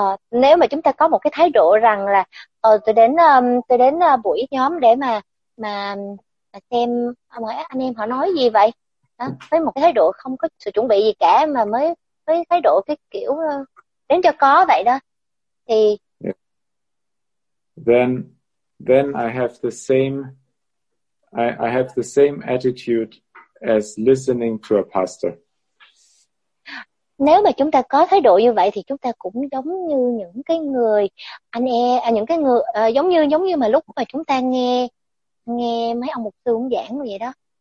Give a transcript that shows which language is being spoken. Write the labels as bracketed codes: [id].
[vi] Nếu mà chúng ta có một cái thái độ rằng là tôi đến buổi nhóm để mà xem anh em họ nói gì vậy, với một cái thái độ không có sự chuẩn bị gì cả mà mới với thái độ cái kiểu đến cho có vậy đó thì [en] then I have the same I have the same attitude as listening to a pastor. [vi] Nếu mà chúng ta có thái độ như vậy thì chúng ta cũng giống như những cái người anh em những cái người giống như mà lúc mà chúng ta nghe mấy ông mục sư giảng vậy đó.